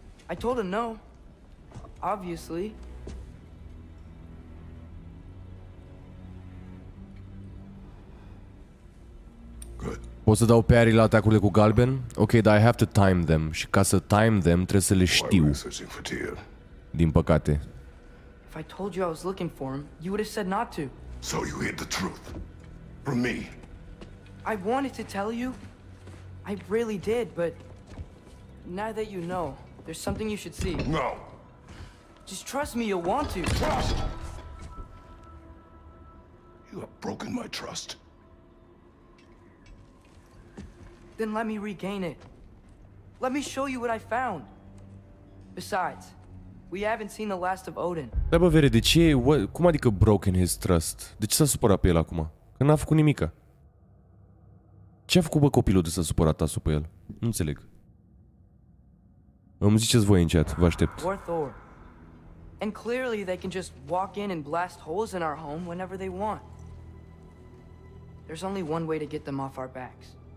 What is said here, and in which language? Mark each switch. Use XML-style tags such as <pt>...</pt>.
<en>I told him no. Obviously. Good.</en> <ro>Poți să dau parry la atacurile cu galben? Ok, dar</ro> <en>I have to time them.</en> <ro>Și ca să</ro> <en>time them,</en> <ro>trebuie să le știu. Din păcate.</ro> <en>If I told you I was looking for him, you would have said not to. So you hid the truth. From me. I wanted to tell you. I really did, but now that you know, there's something you should see. No. Just trust me, you'll want to. Trust! You have broken my trust. Then let me regain it. Let me show you what I found. Besides, we haven't seen the last of Odin.</en> <ro>Da, bă, vere, de ce? Cum adică</ro> <en>broken his trust?</en> <ro>De ce s-a supărat pe el acum? Că n-a făcut nimică. Ce-a făcut, bă, copilul de s-a supărat asupra el? Nu înțeleg. Îmi ziceți voi în chat, vă aștept.</ro> <en>Thor. And clearly they can just walk in and blast holes in our home whenever they want. There's only one way to get them off our backs.</en>